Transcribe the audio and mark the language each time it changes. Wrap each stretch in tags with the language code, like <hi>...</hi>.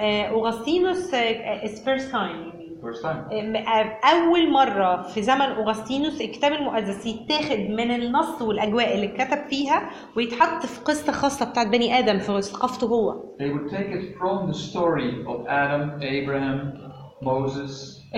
<en>أغسطينوس is first time. First time.</en> <ar>أول مرة في زمن أغسطينوس الكتاب المقدس يتاخد من النص والأجواء اللي كتب فيها ويتحط في قصة خاصة بتاعت بني آدم في ثقافته هو.</ar> <en>They would take it from the story of Adam, Abraham, Moses,</en>